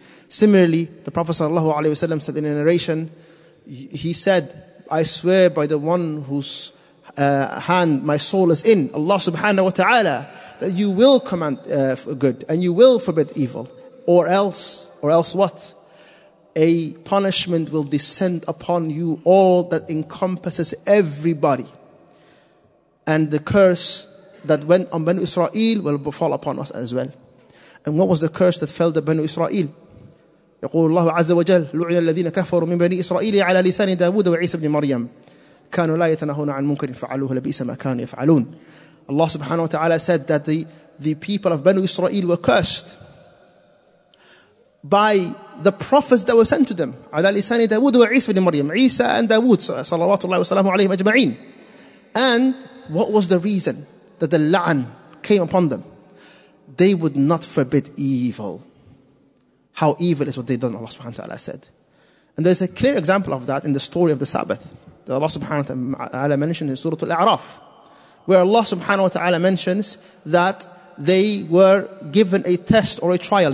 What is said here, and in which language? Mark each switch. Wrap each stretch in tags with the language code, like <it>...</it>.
<en>Similarly, the Prophet sallallahu alaihi wasallam said in a narration, he said, "I swear by the one whose hand my soul is in, Allah subhanahu wa ta'ala, that you will command good and you will forbid evil, or else what? A punishment will descend upon you all that encompasses everybody. And the curse that went on Banu Israel will befall upon us as well." And what was the curse that fell to Banu Israel?</en> <ar>يقول الله عز وجل لعن الذين كفروا من بني إسرائيل على لسان داود وعيسى بن مريم كانوا لا يتناهون عن منكر فعلوه لبئس ما كانوا يفعلون.</ar> <en>Allah subhanahu wa ta'ala said that the people of Banu Israel were cursed by the prophets that were sent to them</en> <ar>على لسان داود وعيسى بن مريم. عيسى and داود صلوات الله وسلامه عليهم أجمعين.</ar> <en>And what was the reason that the la'an came upon them? They would not forbid evil. How evil is what they've done, Allah subhanahu wa ta'ala said. And there's a clear example of that in the story of the Sabbath that Allah subhanahu wa ta'ala mentioned in Surah Al-A'raf, where Allah subhanahu wa ta'ala mentions that they were given a test or a trial.</en>